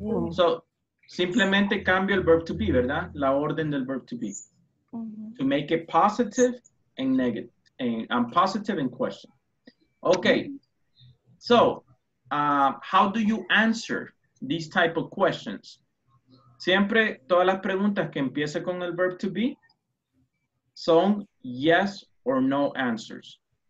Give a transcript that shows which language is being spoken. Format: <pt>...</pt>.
<es>So, simplemente cambio el verb to be, ¿verdad? La orden del verb to be.</es> <en>To make it positive and negative, and I'm positive in question. Okay. So, how do you answer these type of questions?</en> <es>Siempre todas las preguntas que empiece con el verb to be son</es> <en>yes or no answers.</en>